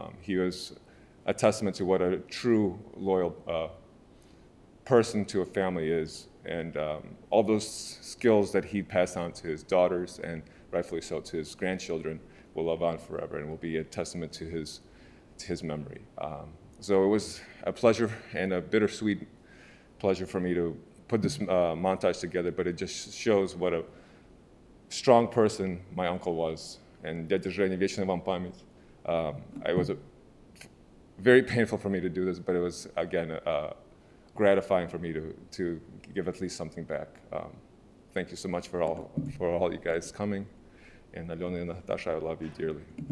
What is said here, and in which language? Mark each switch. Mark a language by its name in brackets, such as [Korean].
[English] He was a testament to what a true loyal person to a family is, and all those skills that he passed on to his daughters, and rightfully so, to his grandchildren, will live on forever and will be a testament to his memory. So it was a pleasure and a bittersweet pleasure for me to put this montage together, but it just shows what a strong person my uncle was. [Russian] And дядя Женя, вечная вам память. [English] Very painful for me to do this, but it was, again, gratifying for me to give at least something back. Thank you so much for all you guys coming. And Alena and Natasha, I love you dearly.